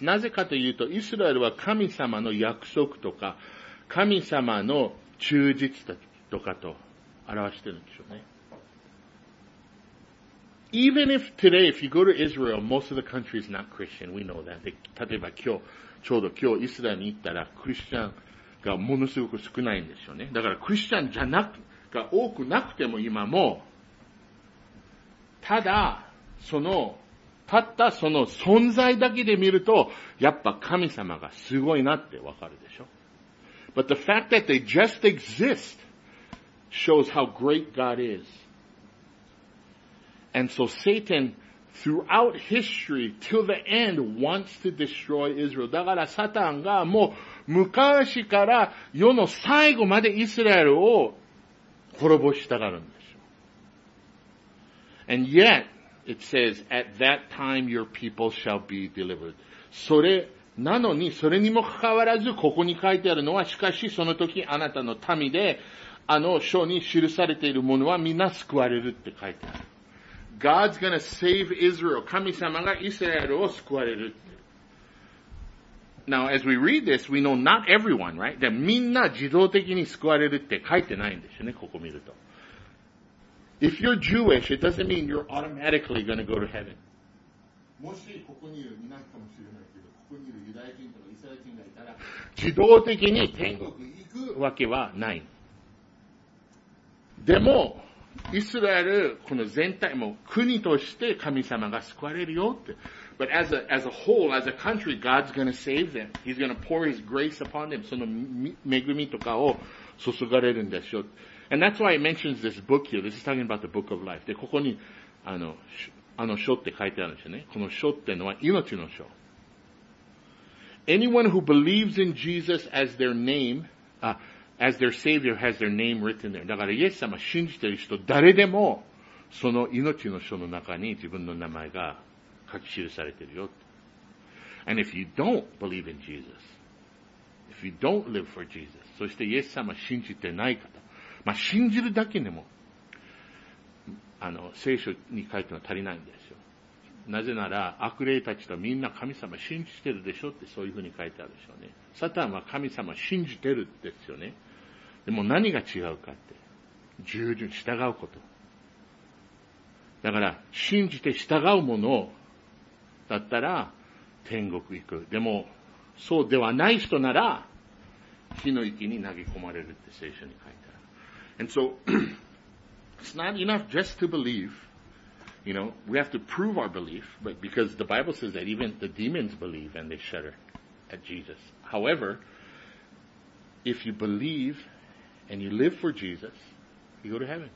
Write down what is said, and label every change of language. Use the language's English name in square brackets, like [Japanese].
[Japanese] なぜかというと、イスラエルは神様の約束とか、神様の忠実とかと表してるんでしょうね。 [English] Even if today, if you go to Israel, most of the country is not Christian. We know that. [Japanese] 例えば今日、ちょうど今日イスラエルに行ったら、クリスチャンがものすごく少ないんですよね。だからクリスチャンじゃなく、が多くなくても今も、ただ、その、たったその存在だけで見ると、やっぱ神様がすごいなってわかるでしょ。 [English] But the fact that they just exist shows how great God is. And so Satan, throughout history, till the end, wants to destroy Israel. [Japanese] だからサタンがもう昔から世の最後までイスラエルを滅ぼしたがるんですよ。 [English] And yet,It says, at that time your people shall be delivered. [Japanese] それなのに、それにもかかわらず、ここに書いてあるのは、しかしその時あなたの民で、あの書に記されているものはみんな救われるって書いてある。 [English] God's gonna save Israel. [Japanese] 神様がイスラエルを救われる。 [English] Now, as we read this, we know not everyone, right? [Japanese] That みんな自動的に救われるって書いてないんですよね、ここ見ると。 [English] If you're Jewish, it doesn't mean you're automatically going to go to heaven. [Japanese] もしここにいる、いないかもしれないけど、ここにいるユダヤ人とかイスラエル人がいたら、自動的に天国に行くわけはない。でも、イスラエル、この全体も国として神様が救われるよって。 [English] But as a whole, as a country, God's going to save them. He's going to pour His grace upon them. [Japanese] その恵みとかを注がれるんでしょう。 [English] And that's why it mentions this book here. This is talking about the book of life. [Japanese] で、ここに、あの書って書いてあるんですよね。この書ってのは命の書。 [English] Anyone who believes in Jesus as their name, as their savior has their name written there. [Japanese] だから、イエス様信じてる人、誰でも、その命の書の中に自分の名前が書き記されてるよ。 [English] And if you don't believe in Jesus, if you don't live for Jesus, [Japanese] そしてイエス様信じてない方、まあ、信じるだけでも、聖書に書いてのは足りないんですよ。なぜなら、悪霊たちとみんな神様信じてるでしょってそういうふうに書いてあるでしょうね。サタンは神様信じてるですよね。でも何が違うかって。従順、従うこと。だから、信じて従うものだったら、天国行く。でも、そうではない人なら、火の池に投げ込まれるって聖書に書いてある。 [English] And so, it's not enough just to believe. You know, we have to prove our belief, but because the Bible says that even the demons believe and they shudder at Jesus. However, if you believe and you live for Jesus, you go to heaven.